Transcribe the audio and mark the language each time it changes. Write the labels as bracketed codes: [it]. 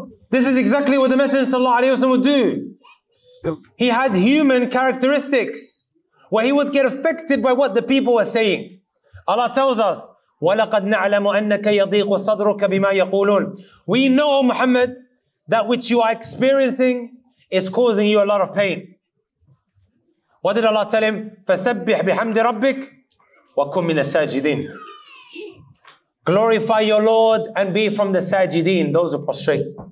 [en] This is exactly what the Messenger Sallallahu Alaihi Wasallam would do. He had human characteristics where he would get affected by what the people were saying. Allah tells us, [ar] وَلَقَدْ نَعْلَمُ أَنَّكَ يَضِيقُ صَدْرُكَ بِمَا يَقُولُونَ. [en] We know, O Muhammad, that which you are experiencing is causing you a lot of pain. What did Allah tell him? [ar] فَسَبِّحْ بِحَمْدِ رَبِّكَ وَكُمْ مِنَ السَّاجِدِينَ. [en] Glorify your Lord and be from the Sajideen, those who prostrate.